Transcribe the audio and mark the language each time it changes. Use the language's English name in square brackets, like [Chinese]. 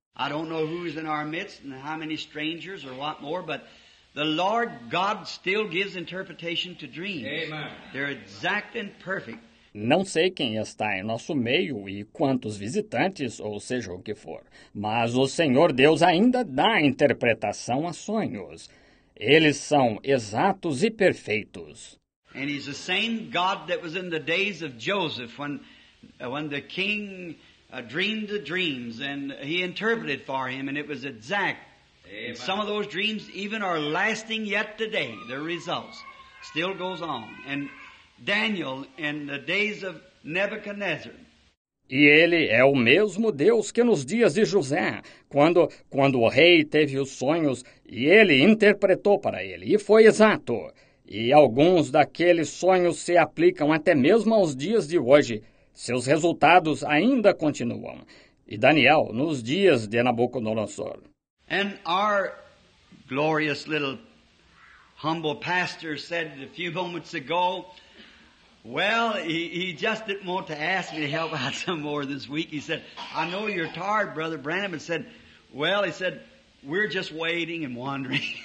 [English] I don't know who's in our midst and how many strangers or what more, but the Lord God still gives interpretation to dreams. Amen. They're exact and perfect. [Portuguese] Não sei quem está em nosso meio e quantos visitantes, ou seja o que for, mas o Senhor Deus ainda dá interpretação a sonhos. Eles são exatos e perfeitos. [English] And he's the same God that was in the days of Joseph when the king dreamed the dreams and he interpreted for him and it was exact. And some of those dreams even are lasting yet today. The results still goes on. And Daniel in the days of Nebuchadnezzar. [Portuguese] E ele é o mesmo Deus que nos dias de José, quando o rei teve os sonhos e ele interpretou para ele e foi exato. E alguns daqueles sonhos se aplicam até mesmo aos dias de hoje. Seus resultados ainda continuam. E Daniel, nos dias de Nabucodonosor. [English] And our glorious little humble pastor said a few moments ago, well, he just didn't want to ask me to help out some more this week. He said, I know you're tired, Brother Branham. And said, well, he said, we're just waiting and wondering.